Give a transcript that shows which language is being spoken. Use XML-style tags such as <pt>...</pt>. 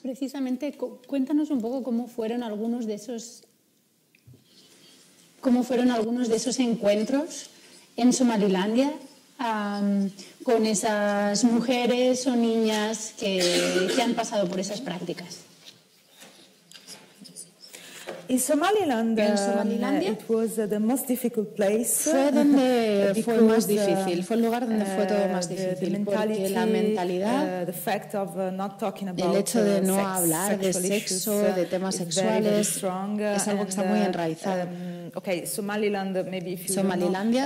<es>Precisamente, cuéntanos un poco cómo fueron algunos de esos encuentros en Somalilandia con esas mujeres o niñas que han pasado por esas prácticas.</es> <en>In Somaliland,</en> <es>en Somalilandia</es> <en>it was the most difficult place.</en> <es>Fue donde fue más difícil, fue el lugar donde fue todo más difícil, porque la mentalidad,</es> <en>the fact of not talking about</en> <es>el hecho de no hablar de sexo, de temas sexuales, es algo que está muy enraizado.</es> <en>Okay, Somaliland, maybe if you</en> <es>Somalilandia,</es>